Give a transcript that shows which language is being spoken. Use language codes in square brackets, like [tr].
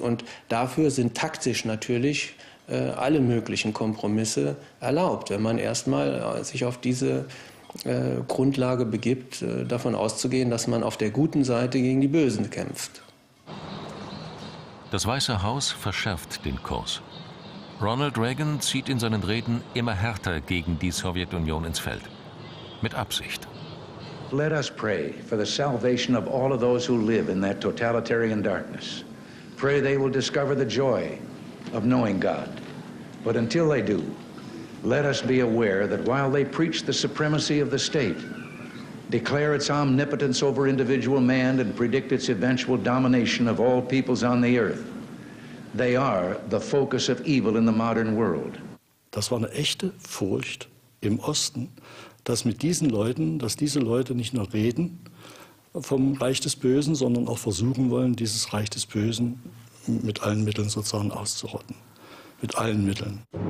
[de] Und dafür sind taktisch natürlich alle möglichen Kompromisse erlaubt, wenn man erstmal sich auf diese Grundlage begibt, davon auszugehen, dass man auf der guten Seite gegen die Bösen kämpft. Das Weiße Haus verschärft den Kurs. Ronald Reagan zieht in seinen Reden immer härter gegen die Sowjetunion ins Feld. Mit Absicht. [en] Let us pray for the salvation of all of those who live in that totalitarian darkness. Pray they will discover the joy of knowing God. But until they do, let us be aware that while they preach the supremacy of the state, declare its omnipotence over individual man, and predict its eventual domination of all peoples on the earth, they are the focus of evil in the modern world. [de] Das war eine echte Furcht im Osten, dass mit diesen Leuten, dass diese Leute nicht nur reden vom Reich des Bösen, sondern auch versuchen wollen, dieses Reich des Bösen mit allen Mitteln sozusagen auszurotten. Mit allen Mitteln.